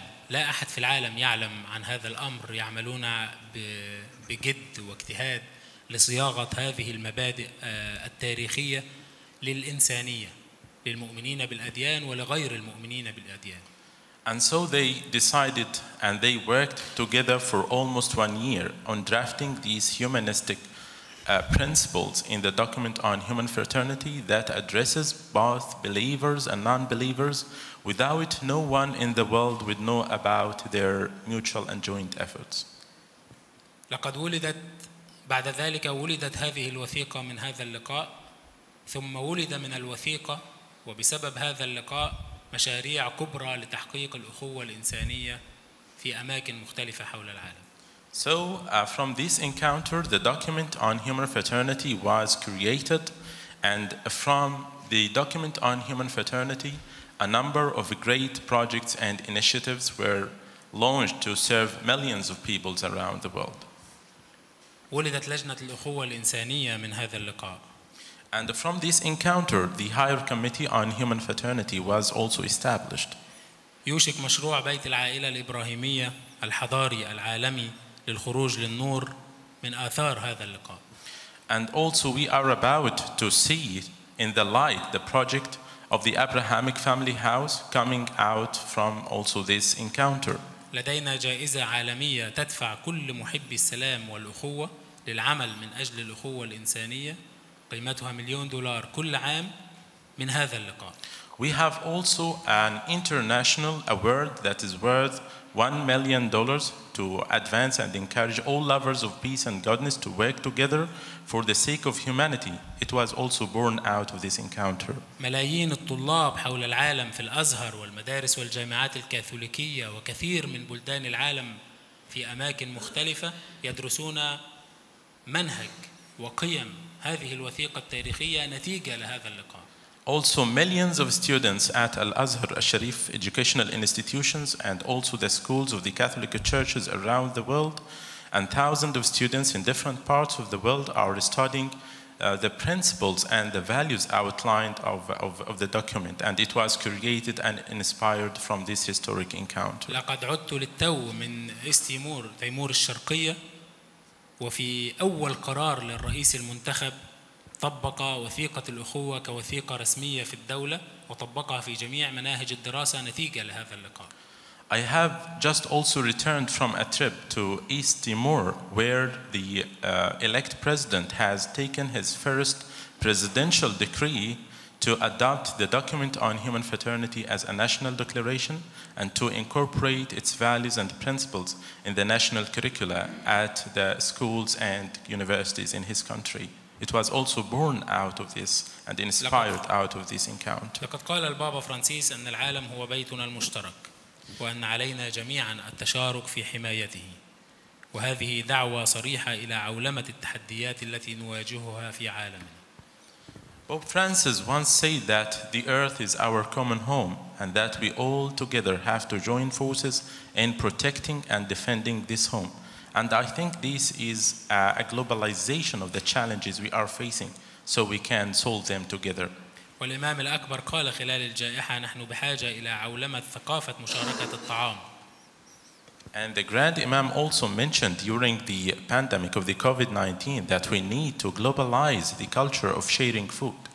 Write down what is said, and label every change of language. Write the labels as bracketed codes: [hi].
[ar] لا أحد في العالم يعلم عن هذا الأمر يعملون بجد واجتهاد لصياغة هذه المبادئ التاريخية للإنسانية للمؤمنين بالأديان ولغير المؤمنين بالأديان. [en] And so they decided and they worked together for almost one year on drafting these humanistic principles in the document on human fraternity that addresses both believers and non-believers. Without it, no one in the world would know about their mutual and joint efforts. [ar] لقد ولدت بعد ذلك ولدت هذه الوثيقة من هذا اللقاء ثم ولد من الوثيقة وبسبب هذا اللقاء مشاريع كبرى لتحقيق الأخوة الإنسانية في أماكن مختلفة حول العالم. [en] So from this encounter, the document on human fraternity was created, and from the document on human fraternity, a number of great projects and initiatives were launched to serve millions of people around the world. [ar] ولدت لجنة الأخوة الإنسانية من هذا اللقاء. [en] And from this encounter, the higher committee on human fraternity was also established. [ar] يوشك مشروع بيت العائلة الإبراهيمية الحضاري العالمي للخروج للنور من آثار هذا اللقاء. [en] And also we are about to see in the light the project of the Abrahamic family house coming out from also this encounter. [ar] لدينا جائزة عالمية تدفع كل محبي السلام والأخوة للعمل من أجل الأخوة الإنسانية قيمتها مليون دولار كل عام من هذا اللقاء. [en] We have also an international award that is worth $1 million to advance and encourage all lovers of peace and goodness to work together for the sake of humanity. It was also born out of this encounter. [ar] ملايين الطلاب حول العالم في الأزهر والمدارس والجامعات الكاثوليكية وكثير من بلدان العالم في أماكن مختلفة يدرسون منهج وقيم هذه الوثيقة التاريخية نتيجة لهذا اللقاء. [en] Also, millions of students at Al-Azhar al-Sharif educational institutions and also the schools of the Catholic churches around the world and thousands of students in different parts of the world are studying the principles and the values outlined of the document and it was created and inspired from this historic encounter. [ar] لقد عدت للتو من إيست تيمور، تيمور الشرقية وفي أول قرار للرئيس المنتخب طبق وثيقة الأخوة كوثيقة رسمية في الدولة وطبقها في جميع مناهج الدراسة نتيجة لهذا اللقاء. [en] I have just also returned from a trip to East Timor where the elect president has taken his first presidential decree to adopt the document on human fraternity as a national declaration and to incorporate its values and principles in the national curricula at the schools and universities in his country. It was also born out of this and inspired out of this encounter. [ar] لقد قال البابا فرانسيس أن العالم هو بيتنا المشترك وأن علينا جميعا التشارك في حمايته. وهذه دعوة صريحة إلى عولمة التحديات التي نواجهها في عالمنا. [en] Pope Francis once said that the earth is our common home and that we all together have to join forces in protecting and defending this home. And I think this is a globalization of the challenges we are facing, so we can solve them together. [ar] والإمام الأكبر قال خلال الجائحة نحن بحاجة إلى عولمة ثقافة مشاركة الطعام. [en] And the Grand Imam also mentioned during the pandemic of the COVID-19 that we need to globalize the culture of sharing food.